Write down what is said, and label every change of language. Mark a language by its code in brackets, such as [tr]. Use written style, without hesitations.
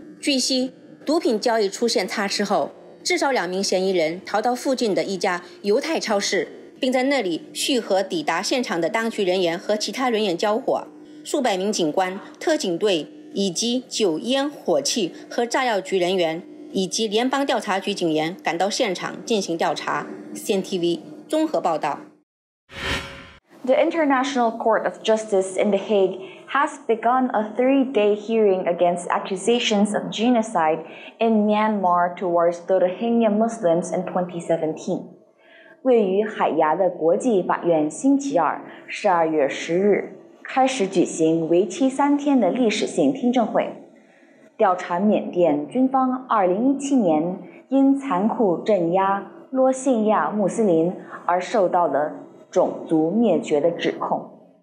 [zh] 据悉，毒品交易出现差池后，至少两名嫌疑人逃到附近的一家犹太超市，并在那里续合抵达现场的当局人员和其他人员交火。数百名警官、特警队以及酒烟火器和炸药局人员以及联邦调查局警员赶到现场进行调查。 CNTV 综合报道。 [en] The International Court of Justice in The Hague has begun a three-day hearing against accusations of genocide in Myanmar towards the Rohingya Muslims in 2017. [zh] 位于海牙的国际法院星期二12月10日开始举行为期三天的历史性听证会，调查缅甸军方2017年因残酷镇压罗信亚穆斯林而受到的种族灭绝的指控。